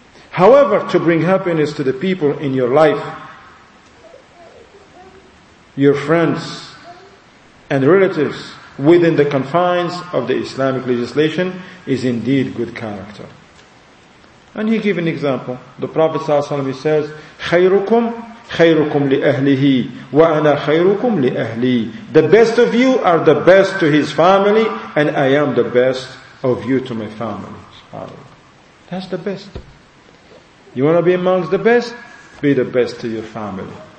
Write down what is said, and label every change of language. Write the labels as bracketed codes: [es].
[en] However, to bring happiness to the people in your life, your friends and relatives within the confines of the Islamic legislation is indeed good character. And he gives an example. The Prophet ﷺ, he says, [ar] خيركم خيركم لأهله وأنا خيركم لأهلي. [en] The best of you are the best to his family, and I am the best of you to my family. That's the best. You want to be amongst the best? Be the best to your family.